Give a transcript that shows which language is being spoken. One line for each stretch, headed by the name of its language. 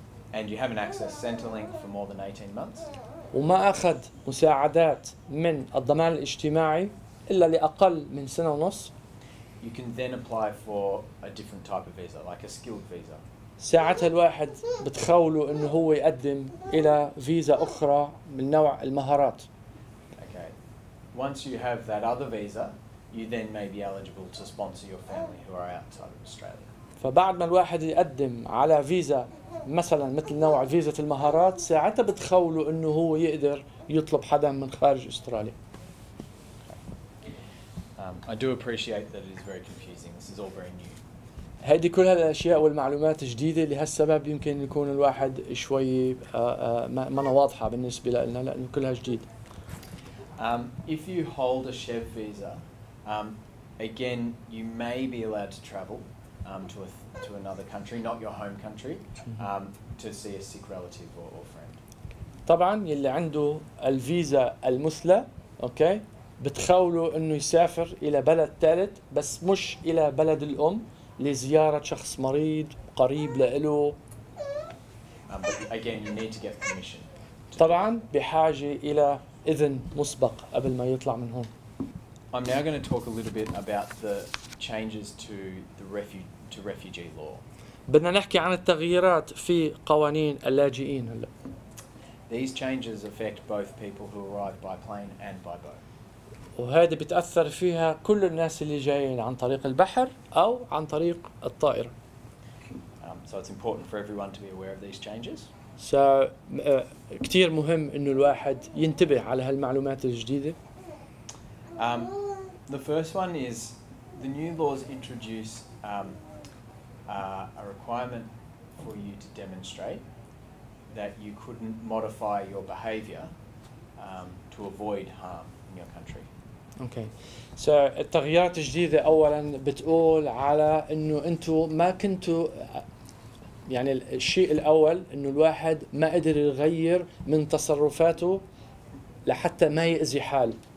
English: And you haven't accessed Centrelink for more than 18 months.
Arabic: وما أخذ مساعدات من الضمان الاجتماعي إلا لأقل من 1.5 سنة.
English: You can then apply for a different type of visa, like a skilled visa.
Arabic: ساعتها الواحد بتخوله إنه هو يقدم إلى فيزا أخرى من نوع المهارات.
English: Okay. Once you have that other visa, you then may be eligible to sponsor your family who are outside of Australia.
Arabic: فبعد ما الواحد يقدم على فيزا مثلا مثل نوع فيزا المهارات ساعتها بتخوله انه هو يقدر يطلب حدا من خارج استراليا.
English: I do appreciate that it is very confusing. This is all very new.
Arabic: هذه كل هالاشياء والمعلومات جديده لهالسبب يمكن يكون الواحد شوي ما انا واضحه بالنسبه لنا لانه كلها جديد.
English: If you hold a Chev visa, again you may be allowed to travel to another country, not your home country, to see a sick relative or friend.
Arabic: طبعا يلي عنده الفيزا المثلى اوكي بتخوله انه يسافر الى بلد ثالث بس مش الى بلد الام لزياره شخص مريض قريب له.
English: But again, you need to get permission.
Arabic: طبعا بحاجه الى اذن مسبق قبل ما يطلع من هون.
English: I'm now going to talk a little bit about the changes to the refugee law.
Arabic: بدنا نحكي عن التغييرات في قوانين اللاجئين.
English: These changes affect both people who arrive by plane and by boat.
Arabic: وهذا بتأثر فيها كل الناس اللي جايين عن طريق البحر أو عن طريق الطائرة.
English: So it's important for everyone to be aware of these changes.
Arabic: So كتير مهم إنه الواحد ينتبه على هالمعلومات الجديدة.
English: The first one is the new laws introduce a requirement for you to demonstrate that you couldn't modify your behavior to avoid harm in your country. Okay.
Arabic: So التغييرات الجديدة اولا بتقول على انه انتوا ما كنتوا يعني الشيء الاول انه الواحد ما قدر يغير من تصرفاته لحتى ما يأذي حال.